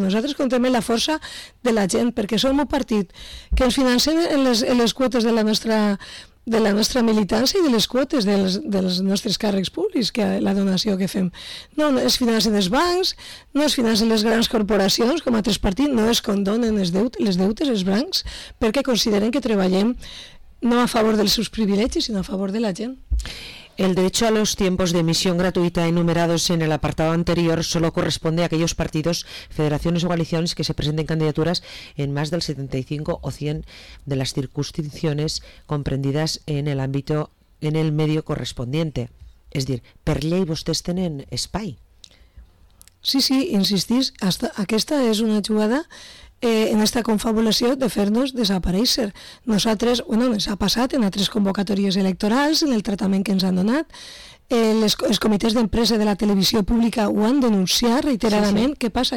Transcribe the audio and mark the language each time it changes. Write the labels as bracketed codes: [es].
[ca] Nosaltres comptem la força de la gent, perquè som un partit que ens financem en les quotes de la nostra, de la nostra militància i de les quotes dels nostres càrrecs públics, que la donació que fem. No es financen els bancs, no es financen les grans corporacions, com a altres partits, no es condonen els deutes, els bancs, perquè consideren que treballem no a favor dels seus privilegis, sinó a favor de la gent. [es] El derecho a los tiempos de emisión gratuita enumerados en el apartado anterior solo corresponde a aquellos partidos, federaciones o coaliciones que se presenten candidaturas en más del 75 o 100 de las circunscripciones comprendidas en el ámbito en el medio correspondiente. [ca] És a dir, per llei vostès tenen espai. Sí, sí, insistís, hasta aquesta és una jugada en esta confabulació de fer-nos desaparèixer. Nosaltres, bueno, ens ha passat en altres convocatòries electorals, en el tractament que ens han donat, els comitès d'empresa de la televisió pública ho han denunciat reiteradament. Sí, sí. Què passa?